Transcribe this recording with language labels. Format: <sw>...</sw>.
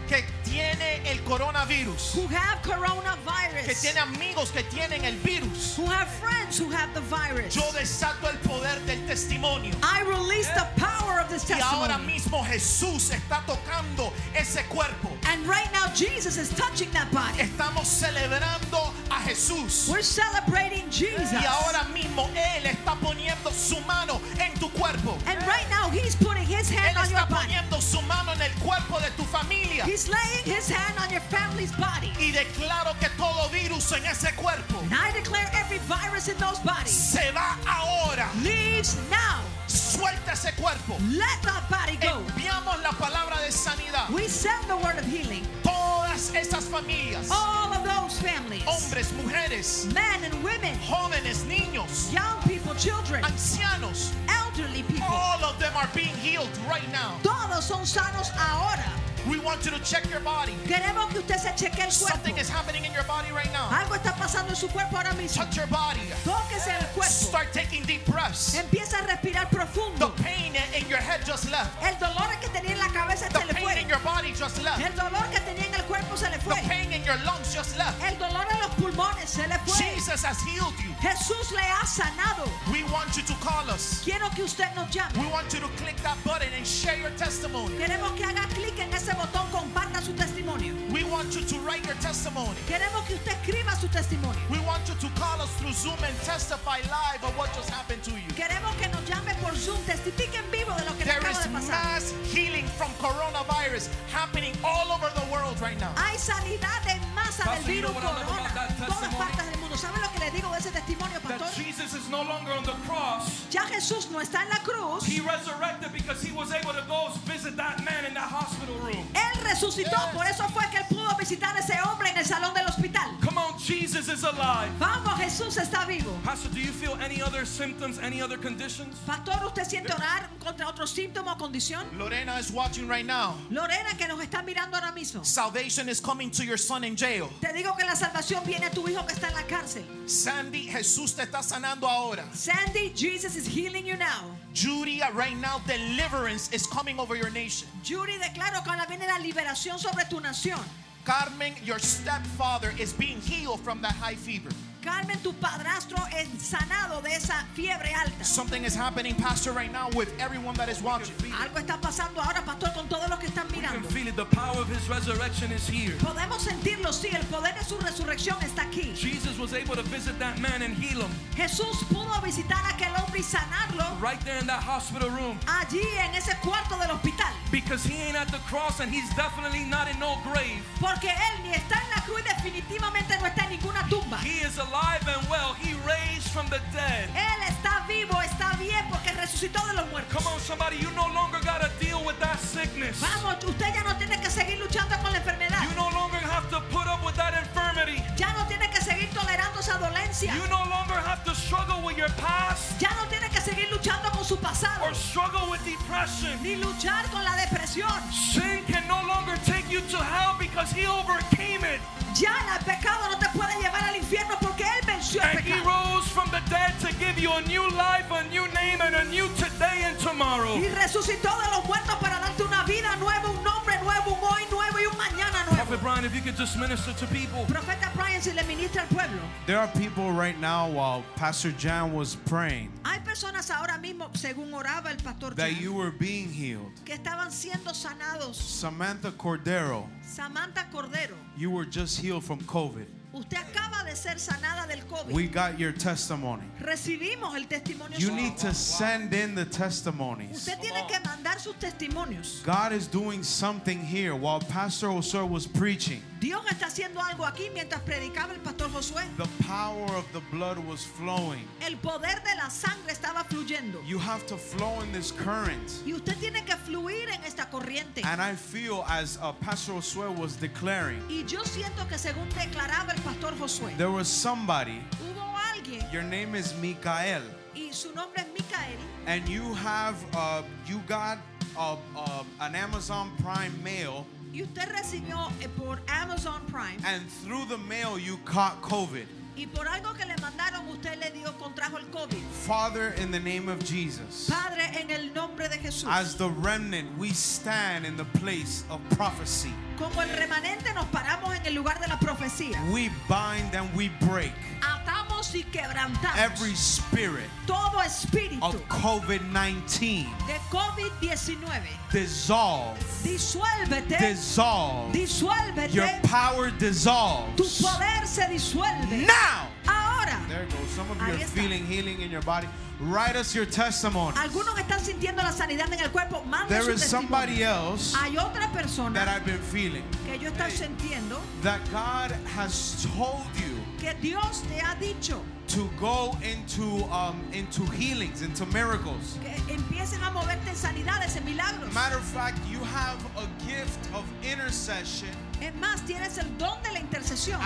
<es>Que tiene el coronavirus.</es> <en>Who have coronavirus.</en> <es>Que tiene amigos que tienen el virus.</es> <en>Who have friends who have the virus.</en> <es>Yo desato el poder del testimonio.</es> <en>I release the power of this testimony.</en> <es>Y ahora mismo Jesús está tocando ese cuerpo.</es> <en>And right now Jesus is touching that body.</en> <es>Estamos celebrando a Jesús.</es> <en>We're celebrating Jesus.</en> <es>Y ahora mismo Él está poniendo su mano en tu cuerpo.</es> <en>And right now he's putting his hand on your body.</en> <es>Él está poniendo su mano en el cuerpo de tu familia.</es> <en>He's laying his hand on your family's body.</en> <es>Y declaro que todo virus en ese cuerpo.</es> <en>And I declare every virus in those bodies.</en> <es>Se va ahora.</es> <en>Leaves now.</en> <es>Suelta ese cuerpo.</es> <en>Let that body go.</en> <es>Enviamos la palabra de sanidad.</es> <en>We send the word of healing.</en> <es>Todas esas familias.</es> <en>All of those families.</en> <es>Hombres, mujeres.</es> <en>Men and women.</en> <es>Jóvenes, niños.</es> <en>Young people, children.</en> <es>Ancianos.</es> <en>Elderly people. All of them are being healed right now.</en> <es>Todos son sanos ahora.</es> <en>We want you to check your body.</en> <es>Queremos que usted se cheque el cuerpo.</es> <en>Something is happening in your body right now.</en> <es>Algo está pasando en su cuerpo ahora mismo.</es> <en>Touch your body.</en> <es>Tóquese el cuerpo.</es> <en>Start taking deep breaths.</en> <es>Empieza a respirar profundo.</es> <en>The pain in your head just left.</en> <es>El dolor que tenía en la cabeza se le fue.</es> <en>The pain in your body just left.</en> <es>El dolor que tenía en el cuerpo se le fue.</es> <en>The pain in your lungs just left.</en> <es>El dolor en los pulmones se le fue.</es> <en>Jesus has healed you.</en> <es>Jesús le ha sanado.</es> <en>We want you to call us.</en> <es>Quiero que usted nos llame.</es> <en>We want you to click that button and share your testimony.</en> <es>Queremos que haga clic en ese botón, comparta su testimonio.</es> <en>We want you to write your testimony.</en> <es>Queremos que usted escriba su testimonio.</es> <en>We want you to call us through Zoom and testify live of what just happened to you.</en> <es>Queremos que nos llame por Zoom, testifique en vivo de lo que acaba de pasar.</es> <en>There is mass healing from coronavirus happening all over the world right now.</en> <es>Hay sanidad en masa del virus corona en todas partes del mundo. ¿Sabe lo que le digo de ese testimonio, pastor?</es> <en>That Jesus is no longer on the cross.</en> <es>Ya Jesús no está en la cruz.</es> <en>He resurrected because he was able to go visit that man in that hospital room.</en> <es>Él resucitó,</es> <en>yes.</en> <es>Por eso fue que él pudo visitar ese hombre en el salón del hospital.</es> <en>Come on, Jesus is alive.</en> <es>Vamos, Jesús está vivo.</es> <en>Pastor, do you feel any other symptoms, any other conditions?</en> <es>Pastor, ¿usted siente orar contra otro síntoma o condición?</es> <en>Lorena is watching right now.</en> <es>Lorena, que nos está mirando ahora mismo.</es> <en>Salvation is coming to your son in jail.</en> <es>Te digo que la salvación viene a tu hijo que está en la cárcel. Sandy, Jesús te está sanando ahora.</es> <en>Sandy, Jesus is healing you now. Judy, right now deliverance is coming over your nation.</en> <es>Judy, declaro que ahora viene la liberación sobre tu nación.</es> <en>Carmen, your stepfather is being healed from that high fever.</en> <es>Carmen, tu padrastro es sanado de esa fiebre alta.</es> <en>Something is happening, Pastor, right now with everyone that is watching.</en> <es>Algo está pasando ahora, Pastor, con todos los que están mirando.</es> <en>We can feel it. The power of His resurrection is here.</en> <es>Podemos sentirlo, sí. El poder de su resurrección está aquí.</es> <en>Jesus was able to visit that man and heal him.</en> <es>Jesús pudo visitar a aquel hombre y sanarlo.</es> <en>Right there in that hospital room.</en> <es>Allí en ese cuarto del hospital.</es> <en>Because he ain't at the cross and he's definitely not in no grave.</en> <es>Porque él ni está en la cruz y definitivamente no está en ninguna tumba.</es> <en>He is alive and well. He raised from the dead.</en> <es>Él está vivo, está bien porque resucitó de los muertos.</es> <en>Come on, somebody, you no longer got to deal with that sickness.</en> <es>Vamos, usted ya no tiene que seguir luchando con la enfermedad.</es> <en>You no longer have to put up with that infirmity.</en> <es>Ya no tiene que seguir tolerando esa dolencia.</es> <en>You no longer have to struggle with your past.</en> <es>Ya no tiene que seguir luchando con su pasado.</es> <en>Or struggle with depression.</en> <es>Ni luchar con la depresión.</es> <en>Sin can no longer take you to hell because he overcame it.</en> <es>Ya el pecado no te puede llevar al infierno porque él venció el pecado.</es> <en>And he rose from the dead to give you a new life, a new name, and a new today and tomorrow.</en> <es>Y resucitó de los muertos para darte una vida nueva, un nombre nuevo, un hoy nuevo y un mañana nuevo.</es> <en>Prophet Brian, if you could just minister to people.</en> <es>Profeta Brian, si le ministra al pueblo.</es> <en>There are people right now while Pastor Jan was praying.</en> <es>Hay personas ahora mismo, según oraba el pastor Jan.</es> <en>That you were being healed.</en> <es>Que estaban siendo sanados.</es> <en>Samantha Cordero.</en> <es>Samantha Cordero.</es> <en>You were just healed from COVID.</en> <es>Usted acaba de ser sanada del COVID.</es> <en>We got your testimony.</en> <es>Recibimos el testimonio.</es> <en>You need to send in the testimonies.</en> <es>Usted tiene que mandar sus testimonios.</es> <en>God is doing something here while Pastor Josué was preaching.</en> <es>Dios está haciendo algo aquí mientras predicaba el pastor Josué.</es> <en>The power of the blood was flowing.</en> <es>El poder de la sangre estaba fluyendo.</es> <en>You have to flow in this current.</en> <es>Y usted tiene que fluir en esta corriente.</es> <en>And I feel as Pastor Josué was declaring.</en> <es>Y yo siento que según declaraba el pastor Josué.</es> <en>There was somebody.</en> <es>Hubo alguien.</es> <en>Your name is Mikael.</en> <es>Y su nombre es Mikael.</es> <en>And you have you got an Amazon Prime mail.</en> <es>Y usted recibió por Amazon Prime.</es> <en>And through the mail you caught COVID.</en> <es>Y por algo que le mandaron usted le dio contrajo el COVID.</es> <en>Father, in the name of Jesus.</en> <es>Padre, en el nombre de Jesús.</es> <en>As the remnant, we stand in the place of prophecy.</en> <es>Como el remanente nos paramos en el lugar de la profecía.</es> <en>We bind and we break.</en> <es>Atamos y quebrantamos.</es> <en>Every spirit.</en> <es>Todo espíritu.</es> <en>Of COVID-19.</en> <es>De COVID-19.</es> <en>Dissolve.</en> <es>Disuélvete.</es> <en>Dissolve.</en> <es>Disuélvete.</es> <en>Your power dissolves.</en> <es>Tu poder se disuelve.</es> <en>Now.</en> <es>Ahora.</es> <en>There goes. Some of you are feeling healing in your body. Write us your testimony.</en> <es>Algunos están sintiendo la sanidad en el cuerpo. Mande</es> <en>there is somebody else.</en> <es>Hay otra persona</es> <en>that I've been feeling.</en> <es>Que yo estoy sintiendo.</es> <en>That God has told you.</en> <es>Que Dios te ha dicho.</es> <en>To go into healings, into miracles.</en> <es>Que empiecen a moverte en sanidades, en milagros.</es> <en>Matter of fact, you have a gift of intercession.</en> <es>Es más, tienes el don de la intercesión.</es>